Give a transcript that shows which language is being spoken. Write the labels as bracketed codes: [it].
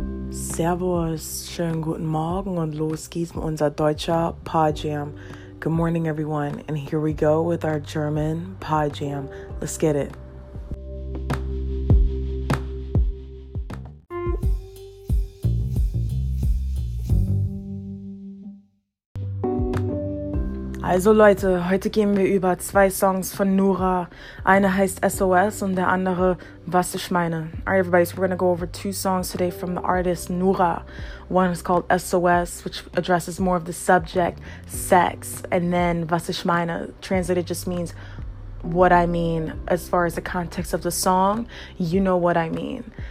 [de] Servus, schönen guten Morgen und los geht's mit unser deutscher Pajam. [en] Good morning, everyone, and here we go with our German Pajam. Let's get it. [de] Also Leute, heute gehen wir über zwei Songs von Nura. Eine heißt SOS und der andere Was ich meine. [en] Alright everybody, so we're gonna go over two songs today from the artist Nura. One is called SOS, which addresses more of the subject, sex, and then Was ich meine, translated just means what I mean as far as the context of the song, you know what I mean.